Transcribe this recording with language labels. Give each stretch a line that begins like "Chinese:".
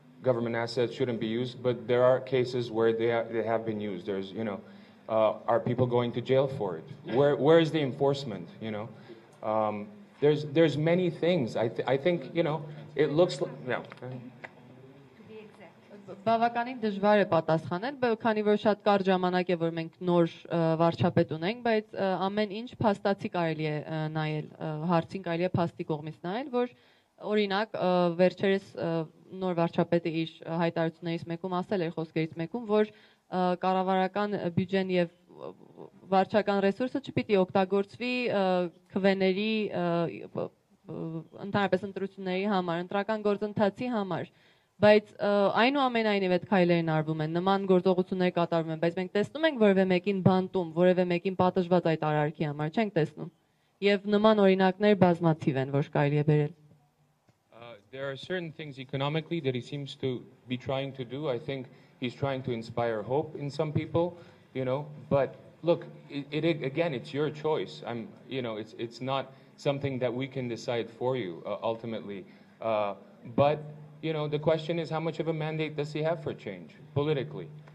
English: Government assets shouldn't be used. But there are cases where they have been used. There's, you know, are people going to jail for it? Where is the enforcement, you know? There's many things. I think, you know, it looks like, yeah.
Armenian: Բավականին դժվար է պատասխանել, քանի որ շատ կարճ ժամանակ է, որ մենք նոր վարչապետ ունենք, բայց ամեն ինչ փաստացի կարելի է նայել, հարցին կարելի է փաստի կողմից նայել, որ օրինակ վերջերս նոր վարչապետը իր հայտարարություններից մեկում ասել էր, խոսքերից մեկում, որ կառավարական բյուջեն եւ վարչական ռեսուրսը չպիտի օգտագործվի քվեների ընդհանրապես ընտրությունների համար, ընտրական գործընթացի համար, բայց այնուամենայնիվ այդ քայլերն արվում են, նման գործողություններ կատարվում են, բայց մենք տեսնում ենք որևէ մեկին բանտում, որևէ մեկին պատժված այդ արարքի համար, չենք տեսնում, եւ նման օրինակներ բազմաթիվ են, որ կարելի է վերել։
English: There are certain things economically that he seems to be trying to do. I think he's trying to inspire hope in some people, you know, but look, it again, it's your choice. I'm, you know, it's not something that we can decide for you ultimately, but you know, the question is how much of a mandate does he have for change politically?